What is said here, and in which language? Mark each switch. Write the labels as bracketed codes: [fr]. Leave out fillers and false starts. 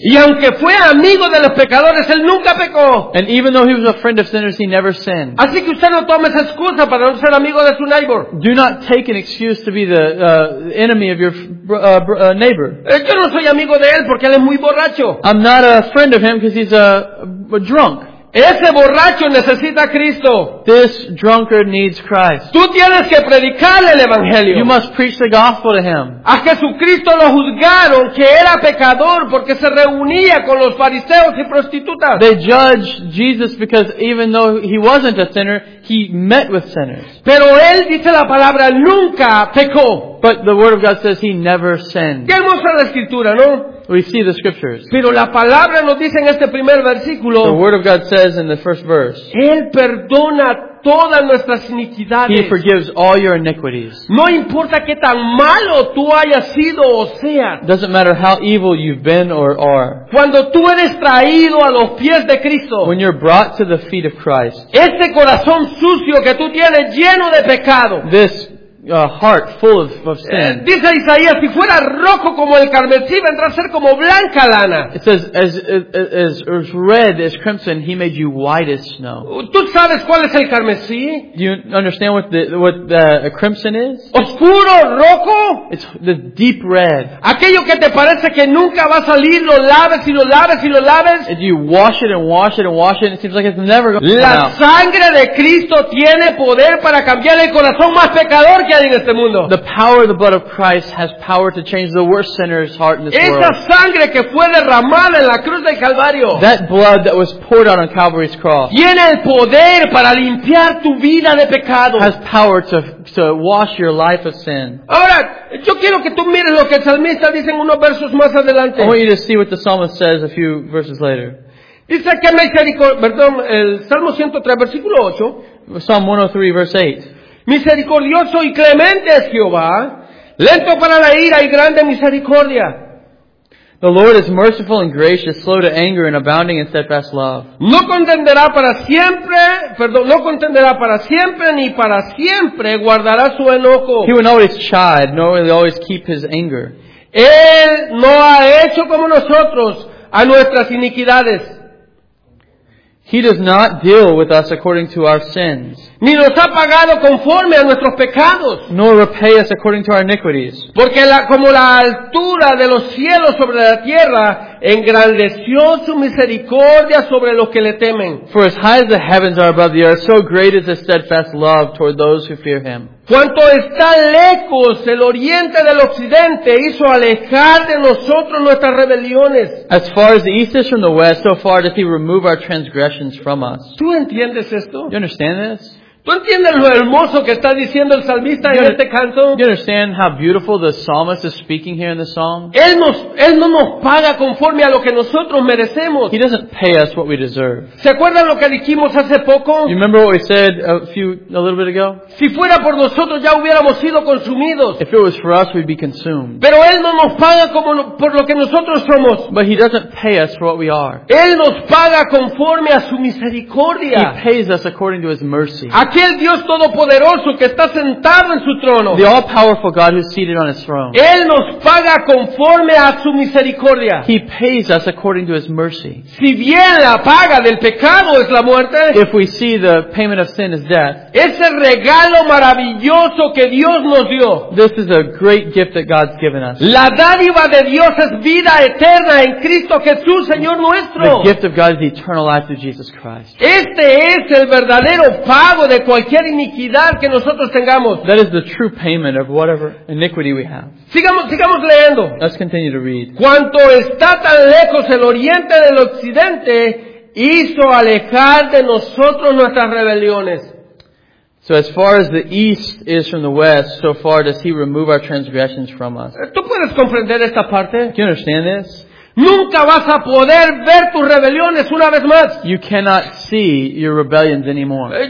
[es] Y aunque fue amigo de los pecadores, Él nunca pecó. [en] And even though He was a friend of sinners, He never sinned. [es] Así que usted no tome esa excusa para no ser amigo de su neighbor. [en] Do not take an excuse to be the enemy of your neighbor. [es] Yo no soy amigo de él porque él es muy borracho. [en] I'm not a friend of him because he's a drunk. [es] Ese borracho necesita a Cristo. [en] This drunkard needs Christ. [es] Tú tienes que predicarle el evangelio. [en] You must preach the gospel to him. [es] A Jesucristo lo juzgaron que era pecador porque se reunía con los fariseos y prostitutas. [en] They judged Jesus because even though he wasn't a sinner, he met with sinners. [es] Pero él dice la palabra nunca pecó. [en] But the word of God says he never sinned. [es] ¿Qué muestra la escritura, no? [en] We see the scriptures. [es] Pero la palabra nos dice en este primer versículo. [en] The word of God says in the first verse. [es] Él perdona todas nuestras iniquidades. [en] He forgives all your iniquities. [es] No importa qué tan malo tú hayas sido o sea. [en] Doesn't matter how evil you've been or are. [es] Cuando tú eres traído a los pies de Cristo. [en] When you're brought to the feet of Christ. [es] Este corazón sucio que tú tienes lleno de pecado. [en] This heart full of sin. [es] Dice Isaías, si fuera rojo como el carmesí, vendrá a ser como blanca lana. [en] It says, as red as crimson, he made you white as snow. [es] ¿Tú sabes cuál es el carmesí? [en] Do you understand what the crimson is? [es] Oscuro, rojo. [en] It's the deep red. [es] Aquello que te parece que nunca va a salir, lo laves y lo laves y lo laves. [en] If you wash it and wash it and wash it, it seems like it's never going to come [es] La [en] out. [es] Sangre de Cristo tiene poder para cambiar el corazón más pecador. [en] The power of the blood of Christ has power to change the worst sinner's heart in this world. [es] Esa sangre que fue derramada en la cruz del Calvario. [en] That blood that was poured out on Calvary's cross. [es] Tiene el poder para limpiar tu vida de pecado. [en] Has power to wash your life of sin. [es] Ahora, yo quiero que tú mires lo que el salmista dice en unos versos más adelante. [en] I want you to see what the psalmist says a few verses later. [es] Dice que misericordia, perdón, el Salmo 103 versículo 8. [en] Psalm 103 verse 8. [es] Misericordioso y clemente es Jehová, lento para la ira y grande misericordia. [en] The Lord is merciful and gracious, slow to anger and abounding in steadfast love. [es] No contenderá para siempre, perdón, no contenderá para siempre ni para siempre guardará su enojo. [en] He will always chide, nor will always keep his anger. [es] Él no ha hecho como nosotros a nuestras iniquidades. [en] He does not deal with us according to our sins. [es] Ni nos ha pagado conforme a nuestros pecados. [en] Nor repay us according to our iniquities. [es] Porque como la altura de los cielos sobre la tierra, engrandeció su misericordia sobre los que le temen. [en] For as high as the heavens are above the earth, so great is his steadfast love toward those who fear him. [es] Cuanto está lejos el oriente del occidente, hizo alejar de nosotros nuestras rebeliones. [en] As far as the east is from the west, so far did he remove our transgressions from us. [es] ¿Tú entiendes esto? [en] You understand this? [es] ¿Tú entiendes lo hermoso que está diciendo el salmista en este canto? [en] You understand how beautiful the psalmist is speaking here in the song? [es] Él no nos paga conforme a lo que nosotros merecemos. [en] He doesn't pay us what we deserve. [es] ¿Se acuerdan lo que dijimos hace poco? [en] You remember what we said a little bit ago? [es] Si fuera por nosotros ya hubiéramos sido consumidos. [en] If it was for us, we'd be consumed. [es] Pero Él no nos paga como por lo que nosotros somos. [en] But He doesn't pay us for what we are. [es] Él nos paga conforme a su misericordia. [en] He pays us according to His mercy. [es] Aquel Dios todopoderoso que está sentado en su trono. [en] The all-powerful God who's seated on his throne. [es] Él nos paga conforme a su misericordia. [en] He pays us according to his mercy. [es] Si bien la paga del pecado es la muerte. [en] If we see the payment of sin is death. [es] Ese regalo maravilloso que Dios nos dio. [en] This is a great gift that God's given us. [es] La dádiva de Dios es vida eterna en Cristo Jesús, Señor nuestro. [en] The gift of God is the eternal life through Jesus Christ. [es] Este es el verdadero pago de cualquier iniquidad que nosotros tengamos. [en] That is the true payment of whatever iniquity we have. [es] Sigamos leyendo. [en] Let's continue to read. [es] Cuanto está tan lejos el oriente del occidente, hizo alejar de nosotros nuestras rebeliones. [en] So as far as the east is from the west, so far does he remove our transgressions from us. [es] ¿Tú puedes comprender esta parte? [en] Do you understand this? [es] Nunca vas a poder ver tus rebeliones una vez más. [en] You cannot see your rebellions anymore.